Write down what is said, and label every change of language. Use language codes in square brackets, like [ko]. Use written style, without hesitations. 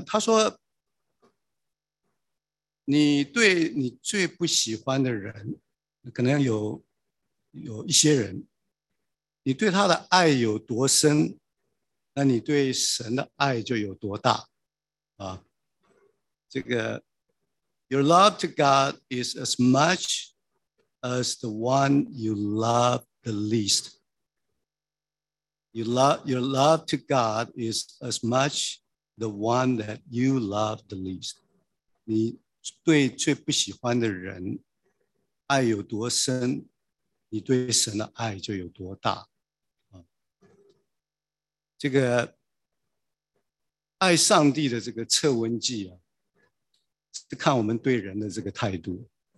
[zh] 他说，你对你最不喜欢的人，可能有一些人，你对他的爱有多深，那你对神的爱就有多大啊。 [en] 这个 Your love to God is as much as the one you love the least. Your love to God is as much the one that you love the least. [zh] 你对最不喜欢的人爱有多深，你对神的爱就有多大。这个爱上帝的这个测温计啊，是看我们对人的这个态度。